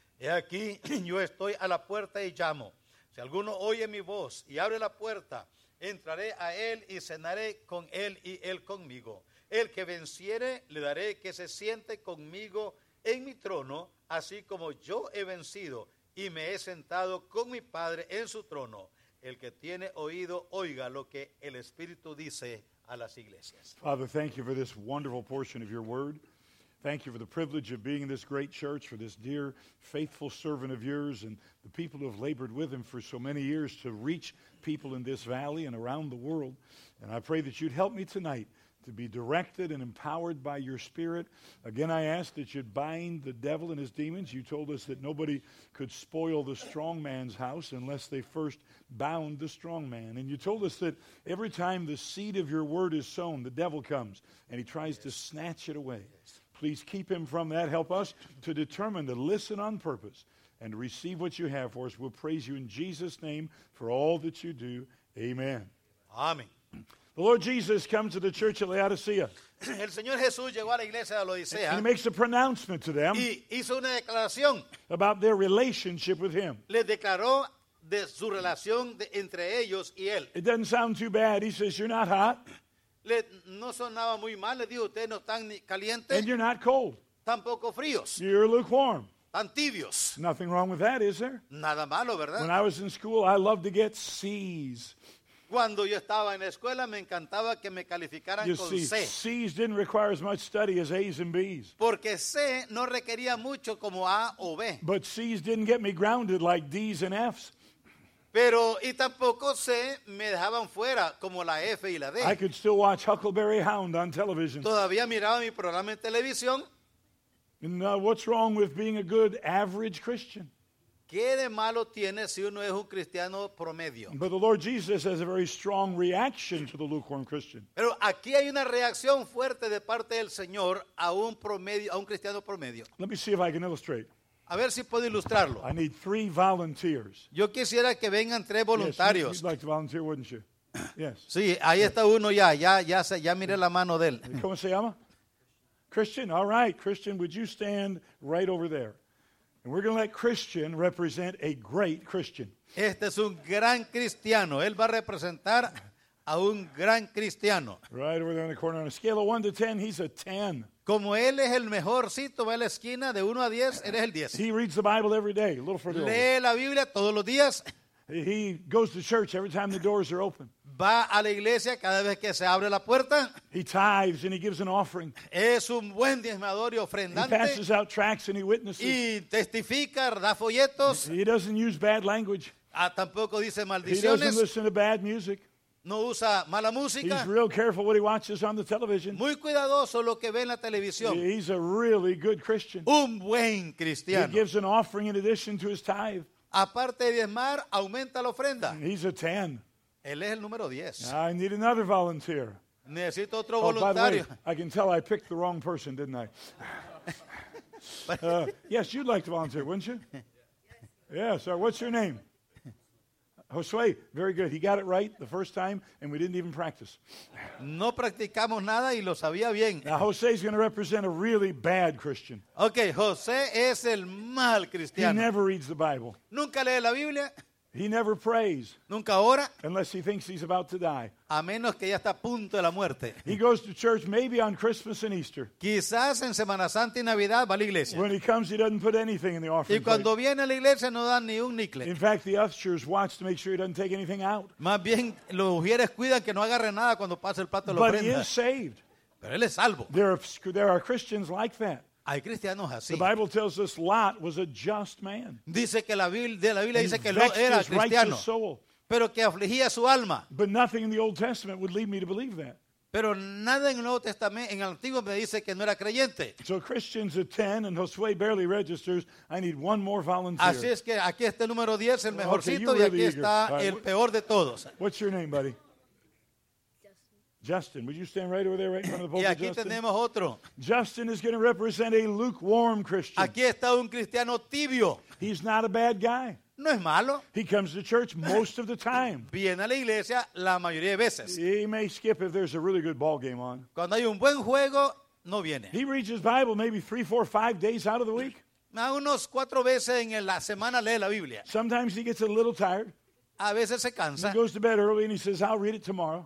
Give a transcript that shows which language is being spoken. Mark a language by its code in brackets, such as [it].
[es] He aquí, yo estoy a la puerta y llamo. Si alguno oye mi voz y abre la puerta, entraré a él y cenaré con él y él conmigo. El que venciere, le daré que se siente conmigo en mi trono, así como yo he vencido y me he sentado con mi Padre en su trono. El que tiene oído, oiga lo que el Espíritu dice a las iglesias. [en] Father, thank you for this wonderful portion of your word. Thank you for the privilege of being in this great church, for this dear, faithful servant of yours, and the people who have labored with him for so many years to reach people in this valley and around the world. And I pray that you'd help me tonight to be directed and empowered by your Spirit. Again, I ask that you'd bind the devil and his demons. You told us that nobody could spoil the strong man's house unless they first bound the strong man. And you told us that every time the seed of your word is sown, the devil comes and he tries to snatch it away. Please keep him from that. Help us to determine to listen on purpose and receive what you have for us. We'll praise you in Jesus' name for all that you do. Amen. Amen. The Lord Jesus comes to the church at Laodicea. [es] El Señor Jesús llegó a la iglesia de Laodicea. [en] And he makes a pronouncement to them. [es] Y hizo una declaración. [en] About their relationship with him. [es] Le declaró de su relación de, entre ellos y él. [en] It doesn't sound too bad. He says, you're not hot. [es] Le, no sonaba muy mal. Le dijo, ustedes no están ni calientes. [en] And you're not cold. [es] Tampoco fríos. [en] You're lukewarm. [es] Tan tibios. [en] Nothing wrong with that, is there? [es] Nada malo, ¿verdad? [en] When I was in school, I loved to get C's. [es] Cuando yo estaba en la escuela, me encantaba que me calificaran [en] you [es] con [en] see, [es] C. [en] C's didn't require as much study as A's and B's. [es] Porque C no requería mucho como A o B. [en] But C's didn't get me grounded like D's and F's. [es] Pero, y tampoco C me dejaban fuera como la F y la D. [en] I could still watch Huckleberry Hound on television. [es] Todavía miraba mi programa en televisión. [en] And what's wrong with being a good average Christian? [es] ¿Qué de malo tiene si uno es un cristiano promedio? [en] But the Lord Jesus has a very strong reaction to the lukewarm Christian. [es] Pero aquí hay una reacción fuerte de parte del Señor a un promedio, a un cristiano promedio. [en] Let me see if I can illustrate. [es] A ver si puedo ilustrarlo. [en] I need three volunteers. [es] Yo quisiera que vengan tres voluntarios. [en] Yes, you'd like to volunteer, wouldn't you? Yes. [es] Sí, ahí [en] yes. [es] Está uno ya. Ya miré la mano de él. ¿Cómo se llama? Christian, [en] all right. Christian, would you stand right over there? And we're going to let Christian represent a great Christian. [es] Este es un gran cristiano. Él va a representar a un gran cristiano. [en] Right over there in the corner. On a scale of 1 to 10, he's a 10. [es] Como él es el mejorcito, va a la esquina de 1 a 10, él es el 10. [en] He reads the Bible every day, a little further. [es] Lee la Biblia todos los días. [en] He goes to church every time the doors are open. [es] Va a la iglesia cada vez que se abre la puerta. [en] He tithes and he gives an offering. [es] Es un buen diezmador y ofrendante. [en] He passes out tracts and he witnesses. [es] Y testifica, da folletos. [en] He doesn't use bad language. [es] Tampoco dice maldiciones. [en] He doesn't listen to bad music. [es] No usa mala música. [en] He's real careful what he watches on the television. [es] Muy cuidadoso lo que ve en la televisión. [en] He's a really good Christian. [es] Un buen cristiano. [en] He gives an offering in addition to his tithe. [es] Aparte de diezmar, aumenta la ofrenda. [en] He's a 10. [es] Él es el número 10. [en] I need another volunteer. [es] Necesito otro oh, voluntario. [en] By the way, I can tell I picked the wrong person, didn't I? yes, you'd like to volunteer, wouldn't you? Yes, sir. What's your name? Josue, very good. He got it right the first time, and we didn't even practice. [es] No practicamos nada y lo sabía bien. [en] Now, Jose is going to represent a really bad Christian. [es] Okay, Jose es el mal cristiano. [en] He never reads the Bible. [es] Nunca lee la Biblia. [en] He never prays. [es] Nunca ora. [en] Unless he thinks he's about to die. [es] A menos que ya está a punto de la muerte. [en] He goes to church maybe on Christmas and Easter. [es] Quizás en Semana Santa y Navidad va a la iglesia. [en] When he comes, he doesn't put anything in the offering plate. [es] Y cuando [en] plate. [es] Viene a la iglesia no dan ni un nickel. [en] In fact, the ushers watch to make sure he doesn't take anything out. [es] Más bien, los ushers cuidan que no agarre nada cuando pase el plato de la ofrenda. [en] But he is saved. [es] Pero él es salvo. [en] There are Christians like that. [es] Hay cristianos así. [en] The Bible tells us Lot was a just man. [es] Dice que la Biblia dice que Lot era cristiano. Pero que afligía su alma. [en] But nothing in the Old Testament would lead me to believe that. [es] Pero nada en el Nuevo Testamento, en el Antiguo me dice que no era creyente. [en] So Christian's a 10 and Josue barely registers. I need one more volunteer. [es] Así es que aquí está el número 10, el mejorcito, okay, y aquí [en] really [es] está [en] right, [es] el peor de todos. [en] What's your name, buddy? Justin, would you stand right over there, right in front of the pulpit? [es] Y aquí tenemos otro. [en] Justin is going to represent a lukewarm Christian. [es] Aquí está un cristiano tibio. [en] He's not a bad guy. [es] No es malo. [en] He comes to church most of the time. [es] Viene a la iglesia la mayoría de veces. [en] He may skip if there's a really good ball game on. [es] Cuando hay un buen juego, no viene. [en] He reads his Bible maybe 3, 4, 5 days out of the week. [es] A unos 4 veces en la semana lee la Biblia. [en] Sometimes he gets a little tired. [es] A veces se cansa. [en] He goes to bed early and he says, I'll read it tomorrow.